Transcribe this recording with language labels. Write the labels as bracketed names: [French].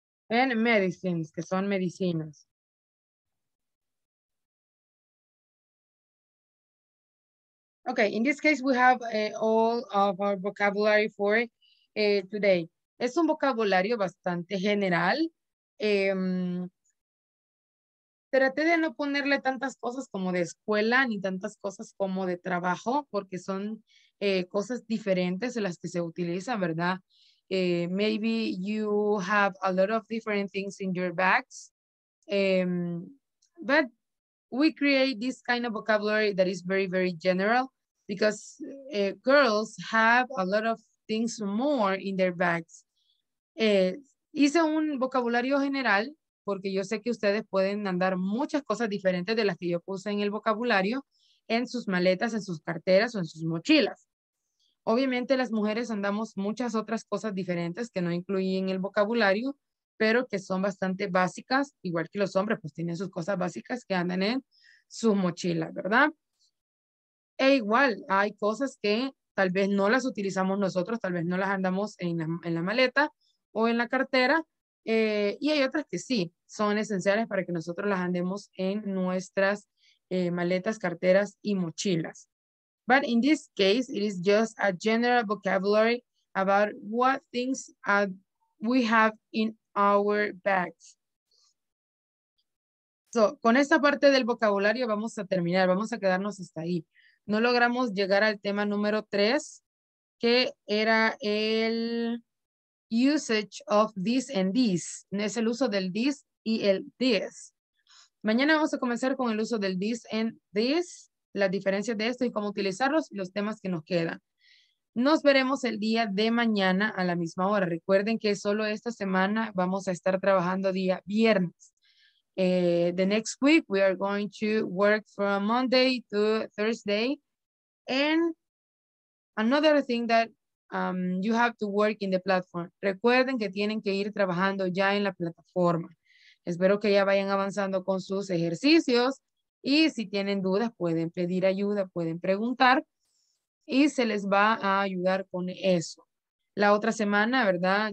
[English] And medicines, [Spanish] que son medicinas. [English] Okay, in this case, we have all of our vocabulary for today. [Spanish] Es un vocabulario bastante general. Traté de no ponerle tantas cosas como de escuela ni tantas cosas como de trabajo porque son cosas diferentes las que se utilizan, ¿verdad? [English] Maybe you have a lot of different things in your bags. But we create this kind of vocabulary that is very, very general. Because girls have a lot of things more in their bags. [Spanish] Hice un vocabulario general porque yo sé que ustedes pueden andar muchas cosas diferentes de las que yo puse en el vocabulario en sus maletas, en sus carteras o en sus mochilas. Obviamente las mujeres andamos muchas otras cosas diferentes que no incluí en el vocabulario, pero que son bastante básicas, igual que los hombres, pues tienen sus cosas básicas que andan en sus mochilas, ¿verdad? E igual, hay cosas que tal vez no las utilizamos nosotros, tal vez no las andamos en la maleta o en la cartera, y hay otras que sí, son esenciales para que nosotros las andemos en nuestras maletas, carteras y mochilas. [English] But in this case, it is just a general vocabulary about what things we have in our bags. [Spanish] So, con esta parte del vocabulario vamos a terminar, vamos a quedarnos hasta ahí. No logramos llegar al tema número 3, que era el [English] usage of this and this. [Spanish] Es el uso del this y el this. Mañana vamos a comenzar con el uso del [English] this and this, [Spanish] las diferencias de esto y cómo utilizarlos y los temas que nos quedan. Nos veremos el día de mañana a la misma hora. Recuerden que solo esta semana vamos a estar trabajando día viernes. [English] The next week we are going to work from Monday to Thursday. And another thing that you have to work in the platform. [Spanish] Recuerden que tienen que ir trabajando ya en la plataforma. Espero que ya vayan avanzando con sus ejercicios. Y si tienen dudas, pueden pedir ayuda, pueden preguntar. Y se les va a ayudar con eso. La otra semana, ¿verdad?